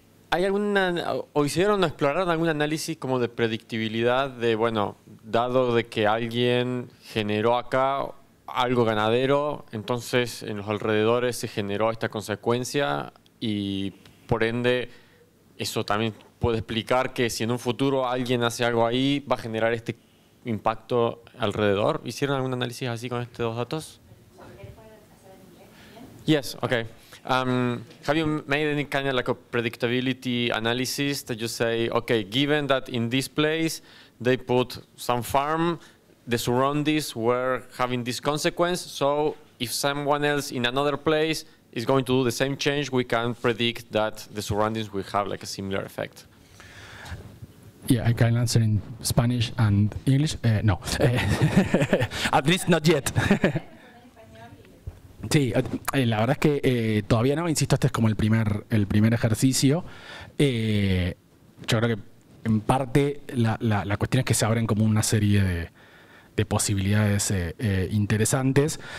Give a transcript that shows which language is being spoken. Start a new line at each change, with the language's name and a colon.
Spanish: ¿Hay alguna, o hicieron o exploraron algún análisis como de predictibilidad de, bueno, dado de que alguien generó acá algo ganadero, entonces en los alrededores se generó esta consecuencia y por ende eso también puede explicar que si en un futuro alguien hace algo ahí va a generar este impacto alrededor? ¿Hicieron algún análisis así con estos dos datos?
English: Yes, okay. Have you made any kind of like a predictability analysis that you say, okay, given that in this place they put some farm, the surroundings were having this consequence, so if someone else in another place is going to do the same change, we can predict that the surroundings will have like a similar effect? Yeah, I can answer in Spanish and English. No, at least not yet.
Spanish: Sí, la verdad es que todavía no, insisto, este es como el primer ejercicio. Yo creo que en parte la cuestión es que se abren como una serie de posibilidades interesantes.